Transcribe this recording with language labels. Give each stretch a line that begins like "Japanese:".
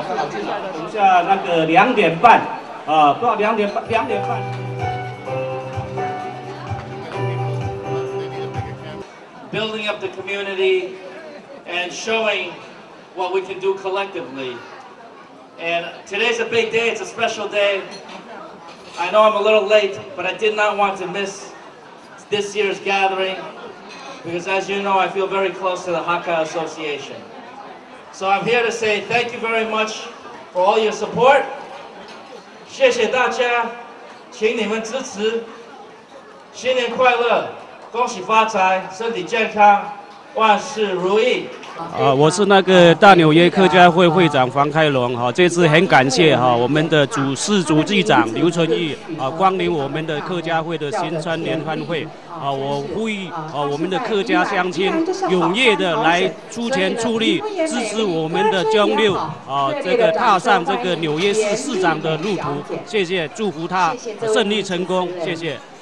Chinese: 等一下，那个两点半，啊，不知道两点半，两点半。
English: Building up the community and showing what we can do collectively. And today's a big day. It's a special day. I know I'm a little late, but I did not want to miss this year's gathering because, as you know, I feel very close to the Hakka Association. So I'm here to say thank you very much for all your support.
Chinese: 谢谢大家，请你们支持。新年快乐，恭喜发财，身体健康，万事如意。我是那个大纽约客家会会长黄开龙哈，这次很感谢哈我们的市主计长刘醇逸啊光临我们的客家会的新春联欢会啊，我呼吁啊我们的客家乡亲踊跃的来出钱出力支持我们的江六啊，这个踏上这个纽约市市长的路途，谢谢，祝福他胜利成功，谢谢。